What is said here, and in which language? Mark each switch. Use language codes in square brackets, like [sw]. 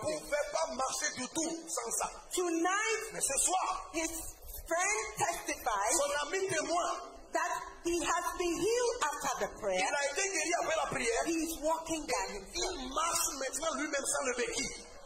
[fr] it. Il ne pouvait pas marcher du tout sans ça. [en] Tonight, [fr] mais ce soir, [en] his friend testifies. [fr] Son ami témoin. [en] That he has been healed after the prayer. [fr] Il a été guéri après la prière. [en] He is walking again. [fr] Il marche maintenant lui-même sans le béquille.